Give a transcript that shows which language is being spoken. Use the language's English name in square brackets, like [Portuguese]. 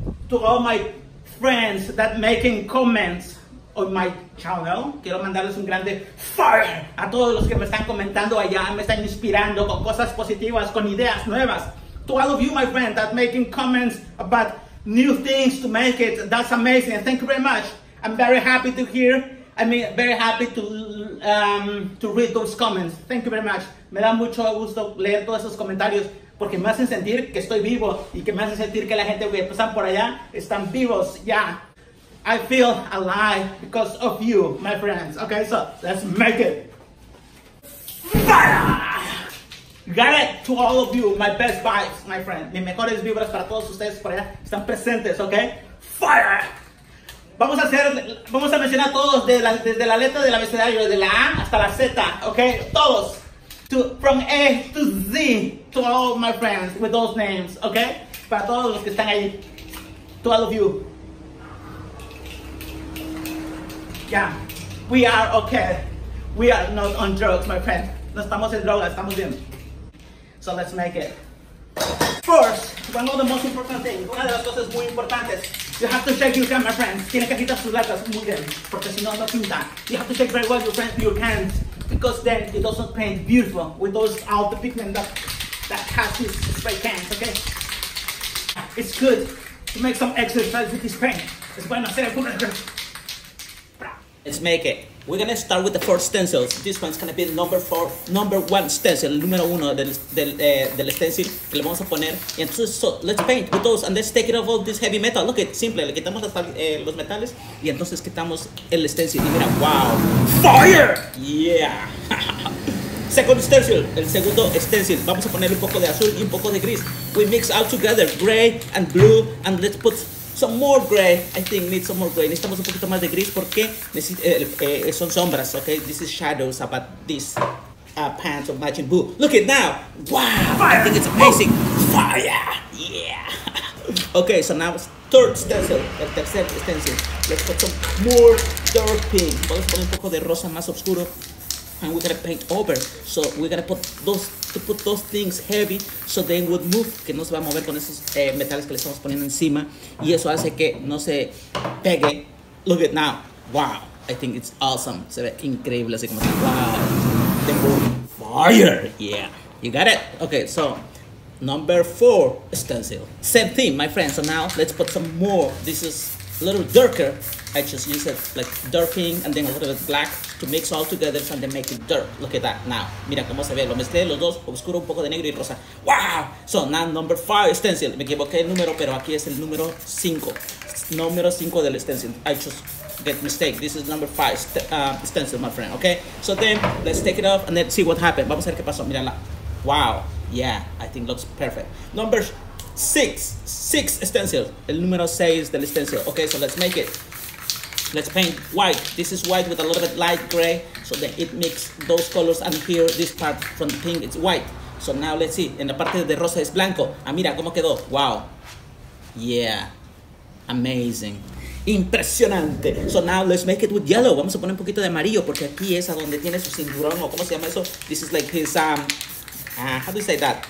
[English] To all my friends that making comments on my channel. [Spanish] Quiero mandarles un grande fire a todos los que me están comentando allá, me están inspirando con cosas positivas, con ideas nuevas. [English] To all of you, my friend, that making comments about new things to make it, that's amazing. Thank you very much. I'm very happy to hear, I mean, very happy to read those comments. Thank you very much. [Spanish] Me da mucho gusto leer todos esos comentarios porque me hacen sentir que estoy vivo y que me hacen sentir que la gente que pasan por allá están vivos ya. [English] Yeah. I feel alive because of you, my friends. Okay, so let's make it. Fire! Got it to all of you, my best vibes, my friend. [Spanish] Mis mejores vibras para todos ustedes por allá. Están presentes, okay? Fire! Vamos a mencionar todos desde la letra del abecedario, de la A hasta la Z, okay? Todos. [English] From A to Z to all my friends with those names, okay? [Spanish] Para todos los que están ahí. [English] To all of you. Yeah, we are okay. We are not on drugs, my friend. [Spanish] No estamos en drogas, estamos bien. [English] So let's make it. First, one of the most important things, [Spanish] una de las cosas muy importantes, [English] you have to check your hands, my friends. [Spanish] Tiene que quitar sus latas muy bien, porque si no, no pinta. [English] You have to check very well your hands, because then it doesn't paint beautiful with those all the pigment that has this spray cans, okay? It's good to make some exercise with this paint. [Spanish] Es bueno hacer algún ejercicio. [English] Let's make it. We're gonna start with the four stencils. This one's gonna be number one stencil, [Spanish] número uno del stencil que le vamos a poner. [English] Entonces, so let's paint with those and let's take it off all this heavy metal. Look, it's simple. [Spanish] Le quitamos hasta los metales y entonces quitamos el stencil. Y mira, wow, fire! Yeah. [English] Second stencil, [Spanish] el segundo stencil. Vamos a poner un poco de azul y un poco de gris. [English] We mix all together, gray and blue, and let's put some more gray. I think need some more gray. [Spanish] Necesitamos un poquito más de gris porque son sombras, okay? [English] This is shadows about this pants of Majin Buu. Look it now. Wow, fire. I think it's amazing. Oh. Fire, yeah. Okay, so now third stencil, [Spanish] el tercer stencil. [English] Let's put some more dark pink. [Spanish] Vamos a poner un poco de rosa más oscuro. [English] And we're gonna paint over. So we're gonna put those things heavy so they would move. [Spanish] Que no se va a mover con esos metales que le estamos poniendo encima. Y eso hace que no se pegue. [English] Look at now. [Spanish] Wow. [English] I think it's awesome. [Spanish] Se ve increíble. Así como así. [English] Wow. The moon. Fire. Yeah. You got it. Okay. So number four stencil. Same thing, my friend. So now let's put some more. This is a little darker. I just use it like dark pink and then a little bit black to mix all together and then make it dark. Look at that now. [Spanish] Mira cómo se ve. Lo mezclé los dos, oscuro, un poco de negro y rosa. Wow! [English] So now number five stencil. [Spanish] Me equivoqué el número, pero aquí es el número cinco. Número cinco del stencil. [English] I just get mistake. This is number five stencil, my friend. Okay? So then let's take it off and then see what happened. [Spanish] Vamos a ver qué pasó. Mira la. Wow. Yeah, [English] I think looks perfect. Number six stencil. [Spanish] El número seis del stencil. [English] Okay, so let's make it. Let's paint white. This is white with a little bit light gray, so that it mix those colors. And here, this part from the pink, it's white. So now let's see. En la parte de rosa es blanco. Ah, mira cómo quedó. Wow. Yeah. Amazing. Impresionante. So now let's make it with yellow. [Spanish] Vamos a poner un poquito de amarillo porque aquí es a donde tiene su cinturón o cómo se llama eso. [English] This is like his how do you say that?